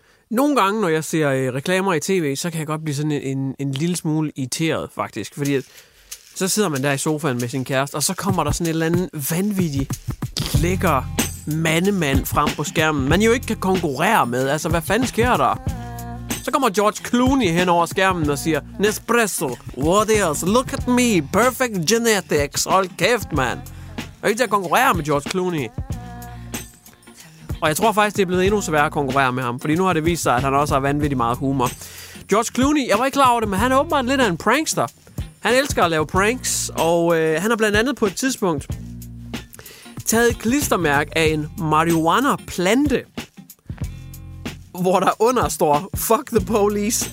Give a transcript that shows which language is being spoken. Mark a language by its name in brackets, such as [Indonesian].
[Danish] Nogle gange, når jeg ser reklamer i tv, så kan jeg godt blive sådan en lille smule irriteret, faktisk. Fordi så sidder man der i sofaen med sin kæreste, og så kommer der sådan et eller andet vanvittigt lækker mandemand frem på skærmen. Man jo ikke kan konkurrere med. Altså, hvad fanden sker der? Så kommer George Clooney hen over skærmen og siger, Nespresso, [English] what else? Look at me, perfect genetics. [Danish] Hold kæft, man. Jeg er ikke til at konkurrere med George Clooney. Og jeg tror faktisk, det er blevet endnu sværere at konkurrere med ham, fordi nu har det vist sig, at han også har vanvittigt meget humor. George Clooney, jeg var ikke klar over det, men han er åbenbart lidt af en prankster. Han elsker at lave pranks, og han har blandt andet på et tidspunkt taget klistermærke af en marihuana-plante, hvor der under står [English] fuck the police.